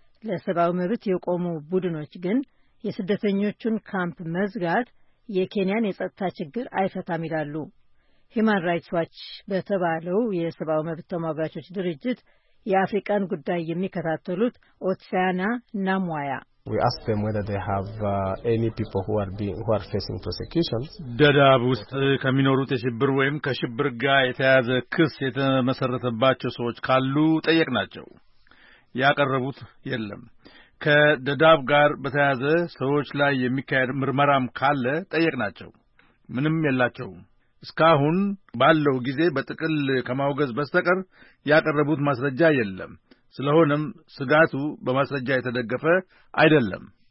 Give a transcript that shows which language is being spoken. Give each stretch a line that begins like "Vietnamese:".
Amharic: ለሰብአዊ መብት የቆሙ ቡድኖች ግን የስደተኞቹን ካምፕ መዝጋት የኬንያን የጸጥታ ችግር አይፈታም ይላሉ። ሂማን ራይትስ ዋች በተባለው የሰብአዊ መብት ተሟጋቾች ድርጅት የአፍሪካን ጉዳይ የሚከታተሉት ኦትሳና ናሙያ
English: We ask them whether they have any people who are being who are facing prosecution.
Amharic: ደዳብ ውስጥ ከሚኖሩ ተሽብር ወይም ከሽብር ጋር የተያዘ ክስ የተመሰረተባቸው ሰዎች ካሉ ጠየቅናቸው። ያቀረቡት የለም። ከደዳብ ጋር በተያዘ ሰዎች ላይ የሚካሄድ ምርመራም ካለ ጠየቅናቸው። ምንም የላቸውም። እስካሁን ባለው ጊዜ በጥቅል ከማውገዝ በስተቀር ያቀረቡት ማስረጃ የለም። ስለሆነም ስጋቱ በማስረጃ የተደገፈ አይደለም።